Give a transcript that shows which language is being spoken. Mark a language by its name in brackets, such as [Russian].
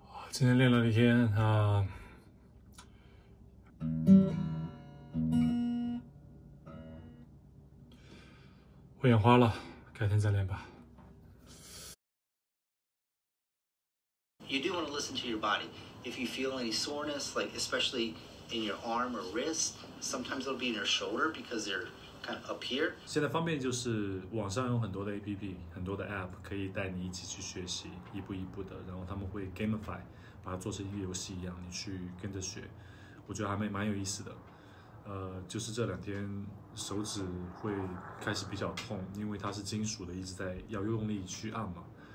[Chinese] 今天练了一天啊，我眼花了，改天再练吧。 [English] You do want to listen to your body. If you feel any soreness, like especially in your arm or wrist, sometimes it'll be in your shoulder because they're kind of up here. [Chinese] 现在方便就是网上有很多的 APP， 很多的 APP 可以带你一起去学习，一步一步的，然后他们会 gamify。把它做成一个游戏一样，你去跟着学，我觉得还蛮有意思的。就是这两天手指会开始比较痛，因为它是金属的，一直在要用力去按嘛。